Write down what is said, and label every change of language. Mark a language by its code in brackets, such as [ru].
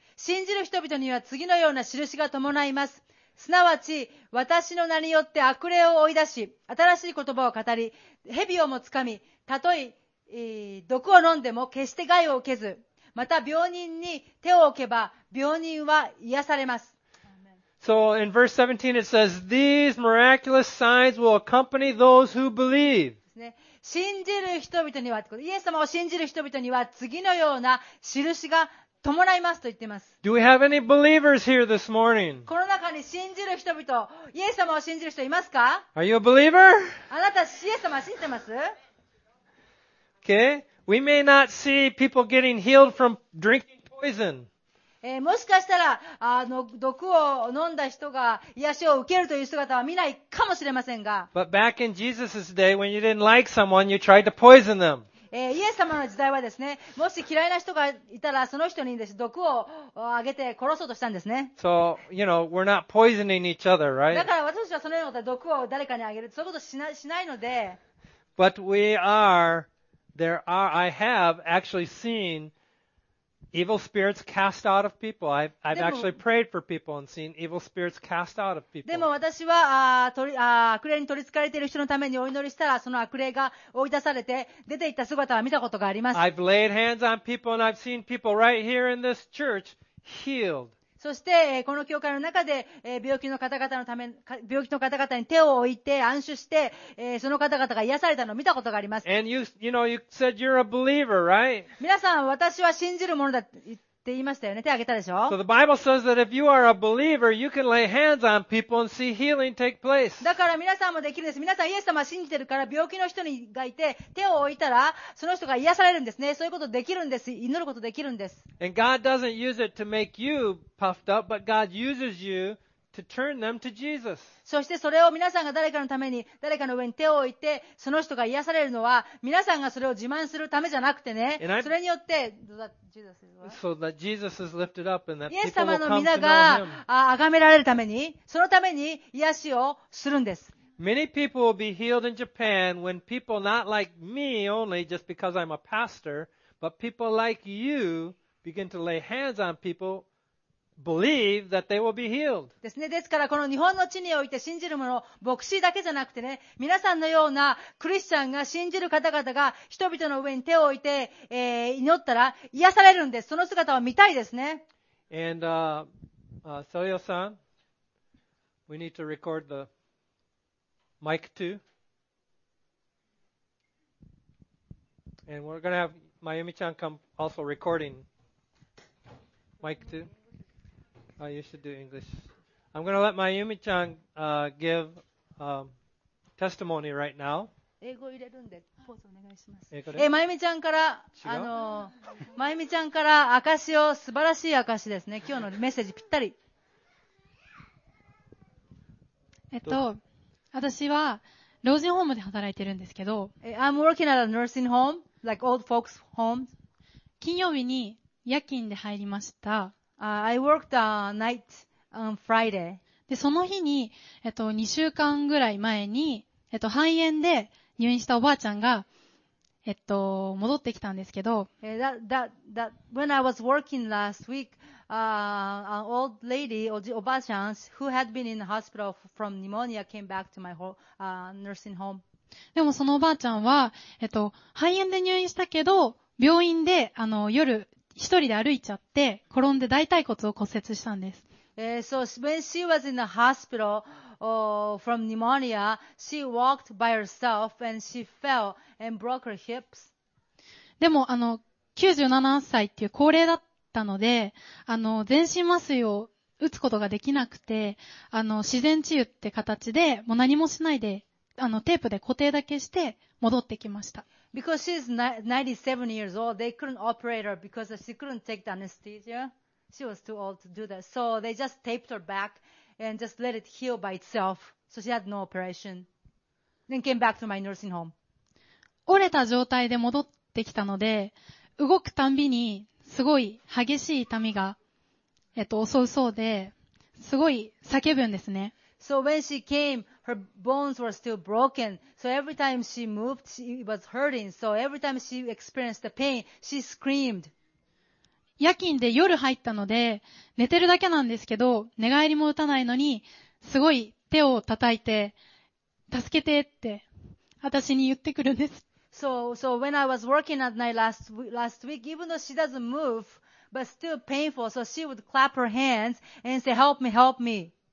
[ja] 信じる人々には次のような印が伴います。すなわち、私の名によって悪霊を追い出し、新しい言葉を語り、蛇をもつかみ、たとえ、毒を飲んでも決して害を受けず、また病人に手を置けば、病人は癒されます。 [en] So, in verse 17 it says, These miraculous signs will accompany those who believe. [ja] 信じる人々には、イエス様を信じる人々には、次のような印が伴いますと言っています。 [en] Do we have any believers here this morning? [ja] この中に信じる人々、イエス様を信じる人いますか? [en] Are you a believer? [ja] あなた、イエス様は信じてます? [en] Okay. We may not see people getting healed from drinking poison. [ja] もしかしたら、毒を飲んだ人が癒しを受けるという姿は見ないかもしれませんが。 [en] But back in Jesus' day, when you didn't like someone, you tried to poison them. [ja] イエス様の時代はですね、もし嫌いな人がいたら、その人にです、毒をあげて殺そうとしたんですね。 [en] So, you know, we're not poisoning each other, right? [ja] だから私たちはそのようなことは毒を誰かにあげる、そういうことしないので。 [en] But we are, there are, I have actually seen evil spirits cast out of people. I've actually prayed for people and seen evil spirits cast out of people. [ja] でも私は悪霊に取り憑かれている人のためにお祈りしたらその悪霊が追い出されて出ていった姿は見たことがあります。 [en] I've laid hands on people and I've seen people right here in this church healed. [ja] そしてこの教会の中で病気の方々に手を置いて安守してその方々が癒されたのを見たことがあります。 [en] And you know, you said you're a believer, right? [ja] 皆さん私は信じるものだって言いましたよね。手を挙げたでしょ。 [en] So the Bible says that if you are a believer, you can lay hands on people and see healing take place. [ja] だから皆さんもできるんです。皆さんイエス様は信じてるから病気の人がいて手を置いたらその人が癒されるんですね。そういうことできるんです。祈ることできるんです。 [en] And God doesn't use it to make you puffed up, but God uses you to turn them to Jesus. [ja] そしてそれを皆さんが誰かのために誰かの上に手を置いてその人が癒されるのは皆さんがそれを自慢するためじゃなくてね。それによって [en] So that Jesus is lifted up and that people will come to know him. [ja] イエス様の皆が崇められるために、そのために癒しをするんです。 [en] Many people will be healed in Japan when people not like me only, just because I'm a pastor, but people like you begin to lay hands on people. Believe that they will be healed. [ja] ですね。ですから、この日本の地において信じる者、牧師だけじゃなくてね、皆さんのようなクリスチャンが信じる方々が人々の上に手を置いて、祈ったら癒されるんです。その姿を見たいですね。 [en] And, Soyo さん、we need to record the mic too. And we're gonna have Mayumi-chan come also recording mic too. You should do English. I'm going to let Mayumi-chan give testimony right now. [ja] 英語入れるんで、ポーズお願いします。 Mayumi-chan から、Mayumi-chan から証を、素晴らしい証ですね。今日のメッセージぴったり。私は老人ホームで働いてるんですけど、 [en] I'm working at a nursing home, like old folks' home. [ja] 金曜日に夜勤で入りました。 [en] I worked a night on Friday. [ja] で、その日に、2週間ぐらい前に、肺炎で入院したおばあちゃんが、戻ってきたんですけど、 [en] when I was working last week, an old lady, おばあちゃん who had been in the hospital from pneumonia came back to my nursing home. [ja] でもそのおばあちゃんは、肺炎で入院したけど、病院で、夜、一人で歩いちゃって転んで大腿骨を骨折したんです。 [en] So when she was in the hospital from pneumonia, she walked by herself and she fell and broke her hips. [ja] でも 97歳っていう高齢だったので、全身麻酔を打つことができなくて、自然治癒って形で、もう何もしないで、テープで固定だけして戻ってきました。 [en] Because she's 97 years old, they couldn't operate her because she couldn't take the anesthesia. She was too old to do that. So they just taped her back and just let it heal by itself. So she had no operation. Then came back to my nursing home. [ja] 折れた状態で戻ってきたので、動くたんびにすごい激しい痛みが、襲うそうで、すごい叫ぶんですね。 [en] So when she came, her bones were still broken. So every time she moved, it was hurting. So every time she experienced the pain, she screamed. [ja] 夜勤で夜入ったので、寝てるだけなんですけど、寝返りも打たないのに、すごい手を叩いて、助けてって、私に言ってくるんです。 [en] So when I was working at night last week, even though she doesn't move, but still painful, so she would clap her hands and say, help me, help me.